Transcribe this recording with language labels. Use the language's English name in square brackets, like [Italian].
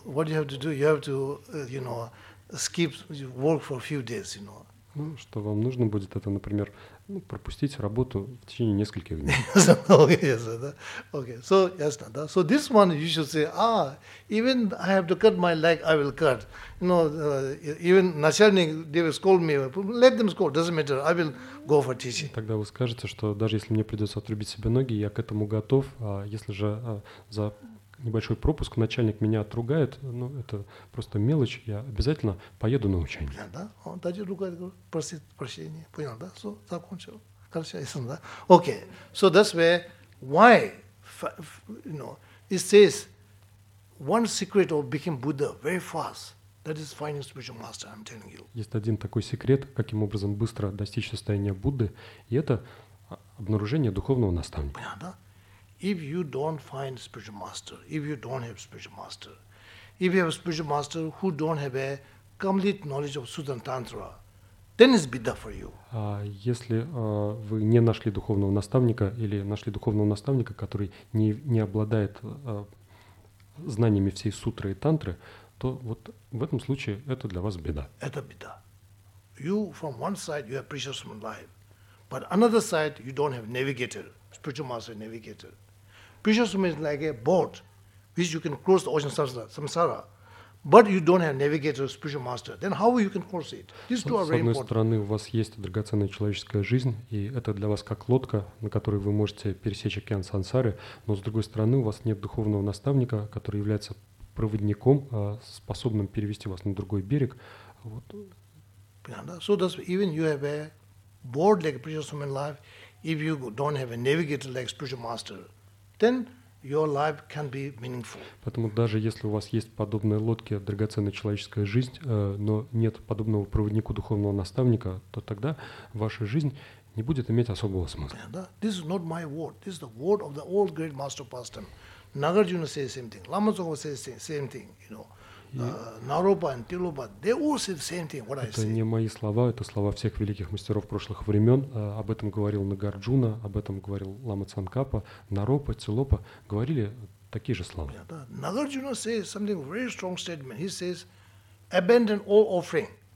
[English] What you have to do, you have to, you know, skip work for a few days, you know. [Russian] Ну, что вам нужно будет, это, например, пропустить работу в течение нескольких дней. Ясно, да? Окей, so, ясно, да? [English] So, this one, you should say, even I have to cut my leg, I will cut. You know, even начальник, they will scold me, let them scold, doesn't matter, I will go for teaching. [Russian] Тогда вы скажете, что даже если мне придется отрубить себе ноги, я к этому готов, а если же за небольшой пропуск начальник меня отругает, ну, это просто мелочь, я обязательно поеду на учение. Понял, да? Он даже ругает, просит прощения. Понял, да? Все, закончил. Хорошо, ясно, да? Окей. [English] So that's where, why, you know, it says, One secret of became Buddha very fast. That is finding spiritual master, I'm telling you. [Russian] Есть один такой секрет, каким образом быстро достичь состояния Будды, и это обнаружение духовного наставника. Понятно? [English] If you don't find spiritual master, if you don't have spiritual master, if you have a spiritual master who don't have a complete knowledge of Sutra and Tantra, then it's beta for you. [Russian] Если вы не нашли духовного наставника или нашли духовного наставника, который не обладает знаниями всей сутры и тантры, то вот в этом случае это для вас беда. Это беда. [English] You from one side you have precious human life, but another side you don't have navigator, spiritual master navigator. Precious human is like a boat, which you can cross the ocean samsara. But you don't have navigator, spiritual master. Then how you can cross it? These two are very important. [Russian] С одной стороны, у вас есть драгоценная человеческая жизнь, и это для вас как лодка, на которой вы можете пересечь океан сансары. Но с другой стороны, у вас нет духовного наставника, который является проводником, способным перевести вас на другой берег. Вот. [English] So that's even you have a board like a precious human life, if you don't have a navigator like a spiritual master, then your life can be meaningful. [Russian] Поэтому даже если у вас есть подобная лодка, драгоценная человеческая жизнь, но нет подобного проводнику духовного наставника, то тогда ваша жизнь не будет иметь особого смысла. [English] This is not my word. This is the word of the old great master pastime. Nagarjuna says the same thing. Lama Tsongkhapa says the same thing. You know, Naropa and Tilopa, they all say the same thing. What I say. [Russian] Это не мои слова, это слова всех великих мастеров прошлых времен. Об этом говорил Нагарджуна, об этом говорил Лама Цанкапа, Наропа, Тилопа говорили такие же слова. [English] Nagarjuna says something very strong statement. He says, abandon all offering.